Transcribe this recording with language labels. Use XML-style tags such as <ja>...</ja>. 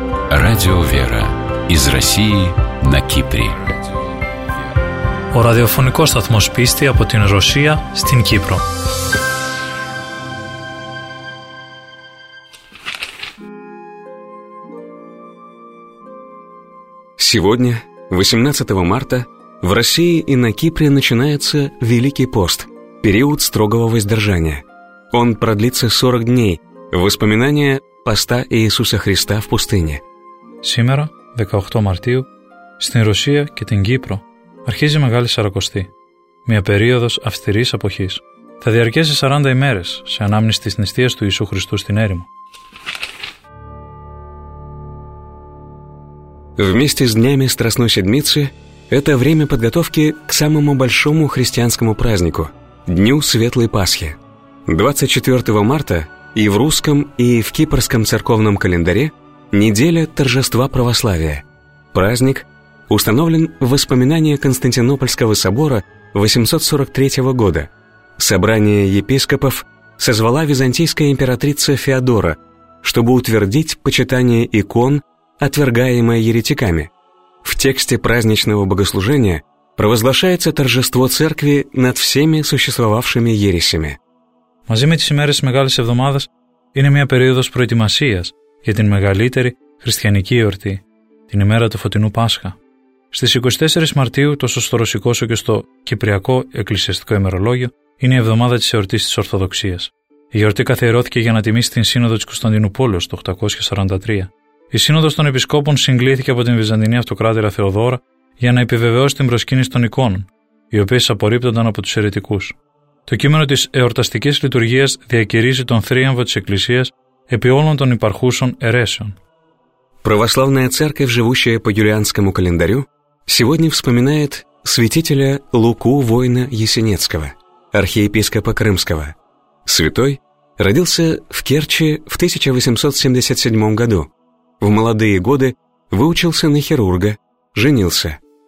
<ru>Радио «Вера» из России на Кипре.</ru> <el>Ο ραδιοφωνικός σταθμός πίστη από την Ρωσία στην Κύπρο.</el> <ru>Сегодня, 18 марта, в России и на Кипре начинается Великий пост, период строгого воздержания. Он продлится 40 дней, воспоминания поста Иисуса Христа в пустыне. Сегодня, 18 марта, в России и на Кипре,</ru> <el>αρχίζει η Μεγάλη Σαρακοστή, μια περίοδος αυστηρής αποχής. Θα διαρκέσει 40 ημέρες σε ανάμνηση της νηστείας του Ιησού Χριστού στην έρημο.</el> <ru>Вместе с днями Страстной Седмицы это время подготовки к самому большому христианскому празднику – Дню Светлой Пасхи. 24 марта и в русском, и в кипрском церковном календаре неделя торжества православия. Праздник установлен в воспоминания Константинопольского собора 843 года. Собрание епископов созвала византийская императрица Феодора, чтобы утвердить почитание икон, отвергаемое еретиками. В тексте праздничного богослужения провозглашается торжество церкви над всеми существовавшими ересями.</ru> <el>Мази με τις ημέρες Μεγάλης Εβδομάδας είναι μια περίοδος προετοιμασίας για την μεγαλύτερη χριστιανική εορτή, την ημέρα του Φωτεινού Πάσχα. Στις 24 Μαρτίου, τόσο στο ρωσικό όσο και στο κυπριακό εκκλησιαστικό ημερολόγιο, είναι η εβδομάδα της εορτής της Ορθοδοξίας. Η γιορτή καθιερώθηκε για να τιμήσει την Σύνοδο της Κωνσταντινούπολης το 843. Η Σύνοδος των Επισκόπων συγκλήθηκε από την Βυζαντινή Αυτοκράτηρα Θεοδώρα για να επιβεβαιώσει την προσκύνηση των εικόνων, οι οποίες απορρίπτονταν από τους αιρετικούς. Το κείμενο της εορταστικής λειτουργίας διακηρύσσει τον θρίαμβο της Εκκλησίας επί όλων των υπαρχούσων αιρέσεων.</el> <ru>Православная церковь, живущая по юлианскому календарю, сегодня вспоминает святителя Луку Воина Ясенецкого, архиепископа Крымского. Святой родился в Керчи в 1877 году. В молодые годы выучился на хирурга, женился.</ru>